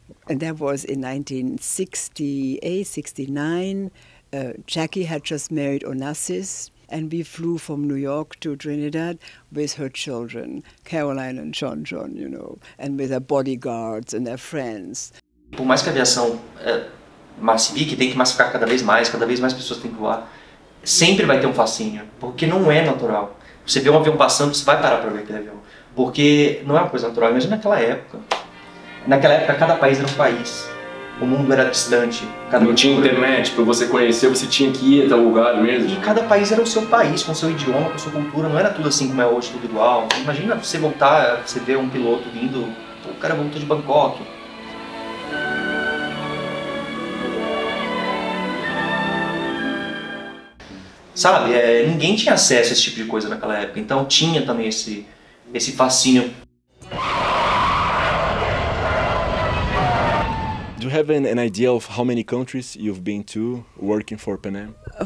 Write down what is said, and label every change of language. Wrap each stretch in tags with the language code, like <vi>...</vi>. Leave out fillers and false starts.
<en>And that was in 1968, 69. Jackie had just married Onassis, and we flew from New York to Trinidad with her children, Caroline and John John, you know, and with their bodyguards and their friends.</en> <pt>Por mais que a aviação massifique, tem que massificar cada vez mais pessoas têm que voar, sempre vai ter um fascínio, porque não é natural. Você vê um avião passando, você vai parar para ver aquele avião, porque não é uma coisa natural. Imagina naquela época. Naquela época, cada país era um país. O mundo era distante. Não tinha internet para você conhecer, você tinha que ir até o lugar mesmo. E cada país era o seu país, com seu idioma, com sua cultura. Não era tudo assim como é hoje, tudo igual. Imagina você voltar, você ver um piloto vindo, o cara voltou de Bangkok. Sabe, ninguém tinha acesso a esse tipo de coisa naquela época, então tinha também esse fascínio.</pt> <en>Do you have an idea of how many countries you've been to working for Pan Am?</en>